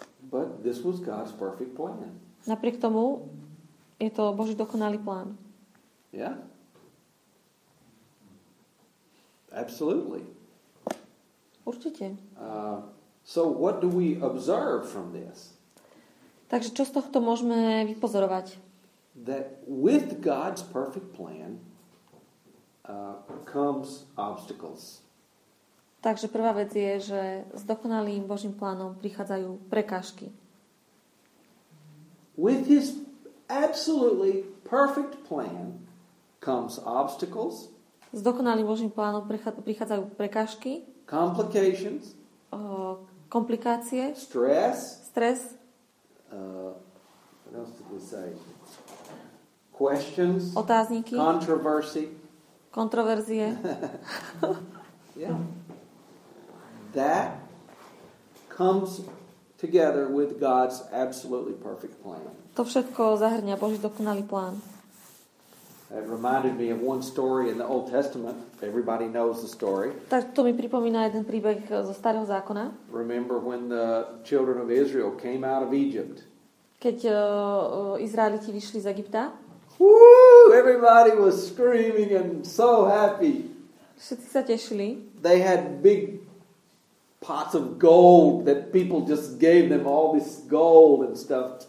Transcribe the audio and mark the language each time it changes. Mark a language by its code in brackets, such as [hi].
[en] But this was God's perfect plan. [sk] Napriek tomu je to Boží dokonalý plán. [en] Yeah. Absolutely. [sk] Určite. [en] So what do we observe from this? [sk] Takže čo z tohto môžeme vypozorovať? [en] That with God's perfect plan comes obstacles. [sk] Takže prvá vec je, že s dokonalým Božím plánom prichádzajú prekážky. [en] With his absolutely perfect plan comes obstacles. [sk] S dokonalým Božím plánom prichádzajú prekážky. [en] Complications. [sk] Komplikácie. [en] Stress. What else did we say? Questions. [sk] Otázniky. [en] Controversy. [sk] Kontroverzie. [en] Yeah. That comes together with God's absolutely perfect plan. [sk] To všetko zahŕňa Boží dokonalý plán. [en] It reminded me of one story in the Old Testament. Everybody knows the story. [sk] Tak to mi pripomína jeden príbeh zo Starého zákona. [en] Remember when the children of Israel came out of Egypt? [sk] Keď Izraeliti vyšli z Egypta. Woo! [en] Everybody was screaming and so happy. [sk] Všetci sa tešili. [en] They had big pots of gold that people just gave them all this gold and stuff.